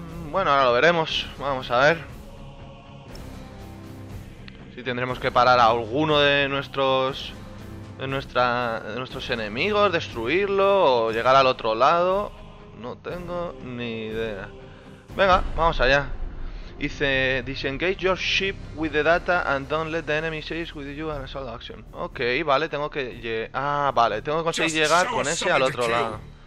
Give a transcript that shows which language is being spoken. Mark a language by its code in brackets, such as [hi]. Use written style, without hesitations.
[es] Bueno, ahora lo veremos. Vamos a ver si tendremos que parar a alguno de nuestros... de nuestros enemigos, destruirlo o llegar al otro lado. No tengo ni idea. Venga, vamos allá. Dice, [en] disengage your ship with the data and don't let the enemy chase with you and assault action. [es] Ok, vale, tengo que... vale, tengo que conseguir llegar con ese al otro lado.